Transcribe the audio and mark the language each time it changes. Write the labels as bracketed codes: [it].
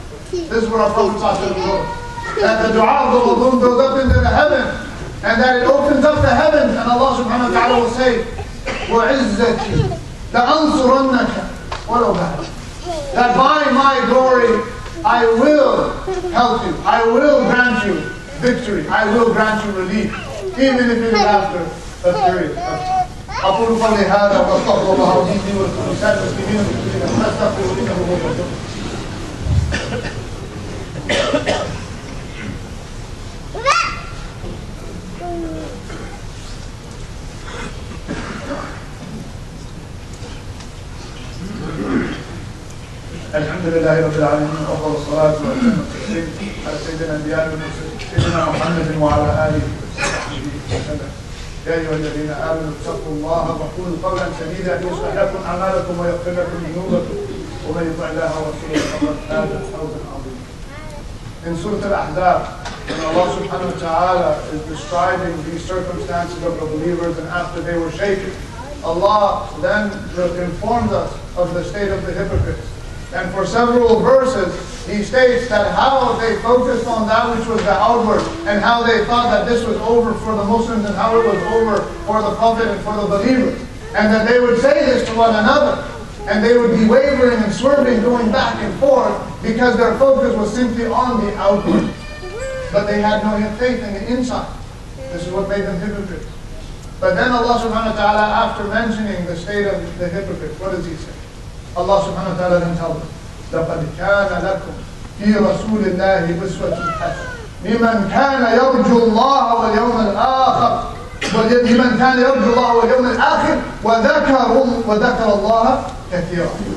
[en] This is what our Prophet sallallahu alaihi wasallam said, that the dua of the mazlum goes up into the heaven, and that it opens up the heavens, and Allah subhanahu wa ta'ala will say, [ar] وَعِزَّتِي لَأَنصُرَنَّكَ وَلَوْ بَعْدَ. [en] That by my glory, I will help you. I will grant you victory. I will grant you relief, even if it is after a period of time. [ar] أقول قولي هذا وأستغفر الله العظيم وأستغفر الله العظيم وأستغفر الله العظيم وأستغفر الله الحمد لله رب العالمين أفضل الصلاة والسلام على سيدنا الأنبياء سيدنا محمد وعلى آله وصحبه وسلم. يا أيها الذين آمنوا اتقوا الله وقولوا قولا سديدا يصلح لكم أعمالكم ويغفر لكم ذنوبكم ومن يطع الله ورسوله فقد فاز فوزا عظيما. [en] In Surah Al-Ahzab, when Allah subhanahu wa ta'ala is describing the circumstances of the believers and after they were shaken, Allah then informs us of the state of the hypocrites. And for several verses, He states that how they focused on that which was the outward, and how they thought that this was over for the Muslims, and how it was over for the Prophet and for the believers. And that they would say this to one another, and they would be wavering and swerving, going back and forth, because their focus was simply on the outward. But they had no faith in the inside. This is what made them hypocrites. But then Allah subhanahu wa ta'ala, after mentioning the state of the hypocrite, what does He say? Allah subhanahu wa ta'ala then tells us, [ar] لَقَدْ كَانَ لَكُمْ فِي رَسُولِ اللَّهِ أُسْوَةٌ حَسَنَةٌ لِمَنْ كَانَ يَرْجُو اللَّهَ وَالْيَوْمَ الْآخِرَ لِمَنْ كَانَ يَرْجُو اللَّهَ وَالْيَوْمَ الْآخِرَ وَذَكَرَ اللَّهَ كَثِيرًا.